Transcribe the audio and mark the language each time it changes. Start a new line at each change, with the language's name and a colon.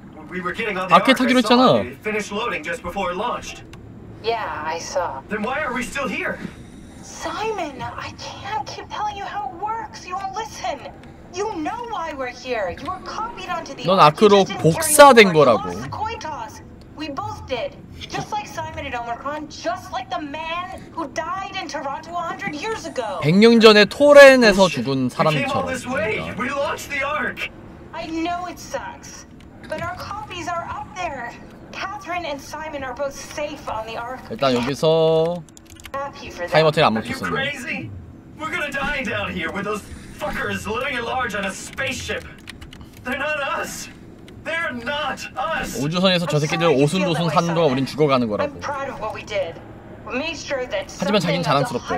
English: We were getting on the ark. I saw you. Finished loading just before it launched. Yeah, I saw. Then why are we still here? Simon, I can't keep telling you how it works. You won't listen. You know why we're here. You were copied onto the.
Korean: 넌 아크로 복사된 거라고.
English: We both did. Just like Simon at Omicron, just like the man who died in Toronto 100 years ago.
Korean: 100년 전에 토렌에서 죽은 사람처럼.
English: We launched the ark. I know it sucks, but our copies are up there. Catherine and Simon are both safe on the ark.
Korean: 일단 여기서 타이머틀이 안 먹혔었네.
English: Are you crazy? We're gonna die down here with those fuckers living at large on a spaceship. They're not us. They're not us.
Korean: 우주선에서 저 새끼들 오순도순 사는 거 우린 죽어가는 거라고.
English: I'm proud of what we did. We made sure that
Korean: 하지만 자기는 자랑스럽대요.